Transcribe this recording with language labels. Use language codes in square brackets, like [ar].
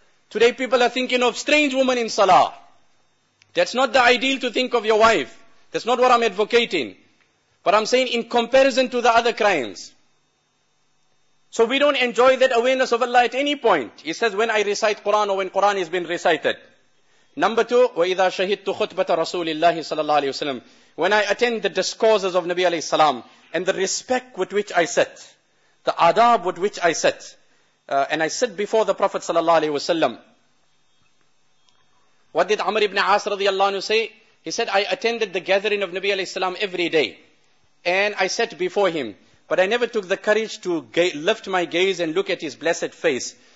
[en] Today people are thinking of strange woman in Salah. That's not the ideal to think of your wife. That's not what I'm advocating. But I'm saying in comparison to the other crimes. So we don't enjoy that awareness of Allah at any point. He says when I recite Quran or when Quran has been recited. Number two, [ar] وَإِذَا شَهِدْتُ خُطْبَةَ رَسُولِ اللَّهِ صَلَى اللَّهِ عَلَيْهِ وَسَلَمْ. [en] When I attend the discourses of Nabi alayhi salam and the respect with which I sit, the adab with which I sit, and I sit before the Prophet sallallahu alayhi wasallam. What did Amr ibn As radiallahu anhu say? He said, I attended the gathering of Nabi alayhi salam every day and I sat before him, but I never took the courage to lift my gaze and look at his blessed face.